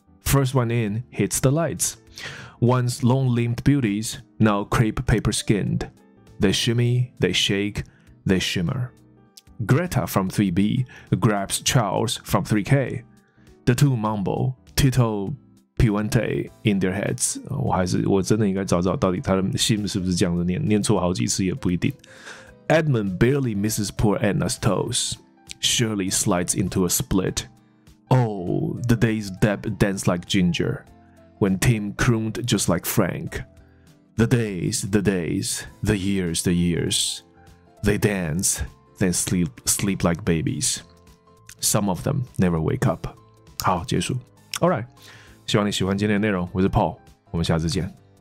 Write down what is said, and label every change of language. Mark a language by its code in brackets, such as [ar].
[en] First one in hits the lights. Once long-limbed beauties, now crepe-paper-skinned. They shimmy, they shake, they shimmer. Greta from 3B grabs Charles from 3K. The two mumble, Tito Puente in their heads. [zh] 我真的应该找找到底他的心是不是这样子念，念错好几次也不一定。 [en] Edmund barely misses poor Anna's toes. Shirley slides into a split. Oh, the day's Deb danced like ginger. When Tim crooned just like Frank. The days, the years. They dance, then sleep like babies. Some of them never wake up. [zh] 好，结束。Alright, 希望你喜欢今天的内容。我是 Paul, 我们下次见。